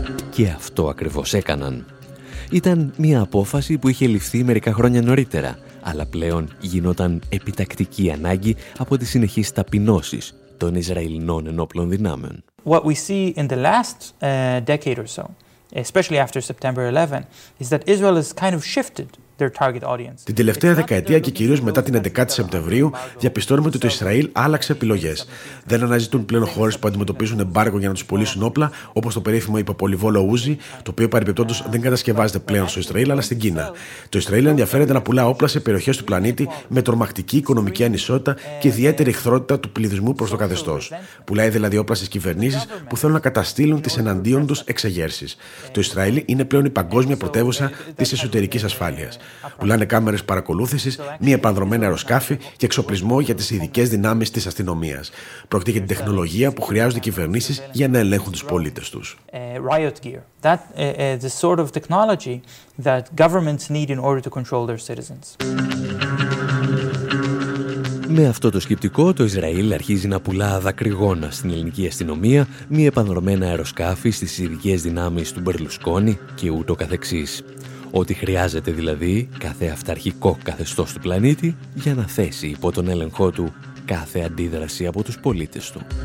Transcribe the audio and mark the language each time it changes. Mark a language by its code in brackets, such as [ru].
[el] Και αυτό ακριβώς έκαναν. Ήταν μια απόφαση που είχε ληφθεί μερικά χρόνια νωρίτερα, αλλά πλέον γινόταν επιτακτική ανάγκη από τις συνεχείς ταπεινώσεις των Ισραηλινών ενόπλων δυνάμεων. [en] What we see in the last decade or so, especially after September 11, is that Israel has kind of shifted. [el] Την τελευταία δεκαετία και κυρίως μετά την 11η Σεπτεμβρίου, διαπιστώνουμε ότι το Ισραήλ άλλαξε επιλογές. Δεν αναζητούν πλέον χώρες που αντιμετωπίζουν εμπάργο για να τους πουλήσουν όπλα, όπως το περίφημο υποπολιβόλο Ούζι, το οποίο παρεμπιπτόντως δεν κατασκευάζεται πλέον στο Ισραήλ αλλά στην Κίνα. Το Ισραήλ ενδιαφέρεται να πουλά όπλα σε περιοχές του πλανήτη με τρομακτική οικονομική ανισότητα και ιδιαίτερη εχθρότητα του πληθυσμού προς το καθεστώς. Πουλάει δηλαδή όπλα στις κυβερνήσεις που θέλουν να καταστήλουν τις εναντίον τους εξεγέρσεις. Το Ισραήλ είναι πλέον η παγκόσμια πρωτεύουσα της εσωτερικής ασφάλειας. Πουλάνε κάμερες παρακολούθησης, μη επανδρωμένα αεροσκάφη και εξοπλισμό για τις ειδικές δυνάμεις της αστυνομίας. Προκτεί για την τεχνολογία που χρειάζονται οι κυβερνήσεις για να ελέγχουν τους πολίτες τους. [en] Riot gear. That is the sort of technology that governments need in order to control their citizens. [el] Με αυτό το σκεπτικό, το Ισραήλ αρχίζει να πουλά δακρυγόνα στην ελληνική αστυνομία, μη επανδρωμένα αεροσκάφη στις ειδικές δυνάμεις του Μπερλουσκόνη και ούτω καθεξής. Ό,τι χρειάζεται δηλαδή κάθε αυταρχικό καθεστώς του πλανήτη για να θέσει υπό τον έλεγχό του κάθε αντίδραση από τους πολίτες του.